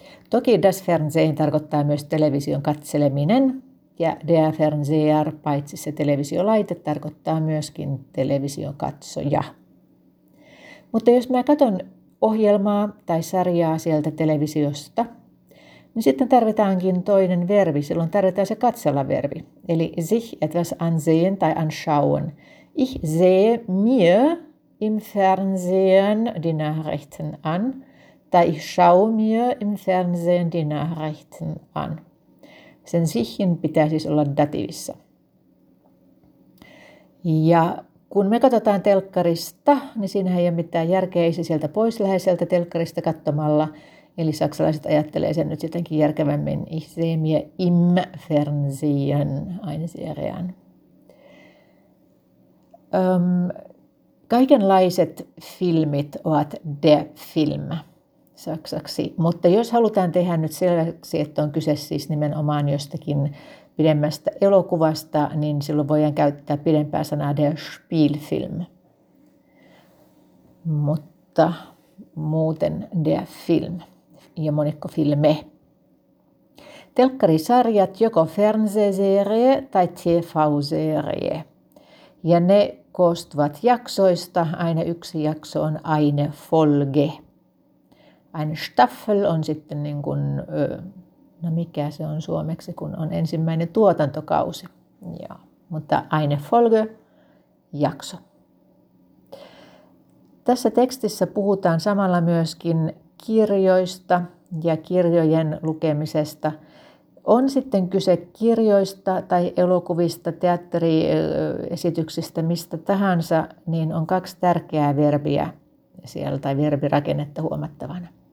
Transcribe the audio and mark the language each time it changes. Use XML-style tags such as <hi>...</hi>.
<fi>Toki das Fernsehen tarkoittaa myös television katseleminen, ja der Fernseher, paitsi se televisiolaite, tarkoittaa myöskin television katsoja. Mutta jos mä katson ohjelmaa tai sarjaa sieltä televisiosta, niin sitten tarvitaankin toinen verbi, silloin tarvitaan se katsella verbi. Eli</fi> <de>sich etwas ansehen</de> <fi>tai</fi> <de>anschauen. Ich sehe mir im Fernsehen die Nachrichten an.</de> <fi>Tai</fi> <de>ich schaue mir im Fernsehen die Nachrichten an.</de> <fi>Sen sichin pitää siis olla datiivissa. Ja kun me katsotaan telkkarista, niin siinä ei ole mitään järkeä, ei se sieltä pois lähde sieltä telkkarista katsomalla. Eli saksalaiset ajattelee sen nyt jotenkin järkevämmin.</fi> <de>Ich sehe mir im Fernsehen eine Serie.</de> <fi>Kaikenlaiset filmit ovat der Film saksaksi. Mutta jos halutaan tehdä nyt selväksi, että on kyse siis nimenomaan jostakin pidemmästä elokuvasta, niin silloin voidaan käyttää pidempää sanaa der Spielfilm. Mutta muuten der Film. Ja monikko filme. Telkkarisarjat joko Fernsehserie tai TV-serie. Ja ne koostuvat jaksoista. Aina yksi jakso on eine Folge. Eine Staffel on sitten niin kuin, no mikä se on suomeksi, kun on ensimmäinen tuotantokausi. Ja, mutta eine Folge, jakso. Tässä tekstissä puhutaan samalla myöskin kirjoista ja kirjojen lukemisesta. On sitten kyse kirjoista tai elokuvista, teatteriesityksistä, mistä tahansa, niin on kaksi tärkeää verbiä siellä tai verbirakennetta huomattavana.</fi>